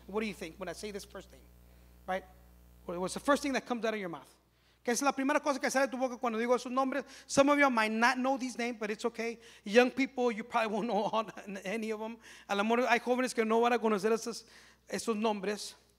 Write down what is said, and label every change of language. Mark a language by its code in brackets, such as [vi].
[en] What do you think when I say this first thing? Right? What's the first thing that comes out of your mouth? [es] Que es la primera cosa que sale de tu boca cuando digo esos nombres. [en] Some of you might not know these names, but it's okay. Young people, you probably won't know any of them. [es] A lo mejor hay jóvenes que no van a conocer esos nombres.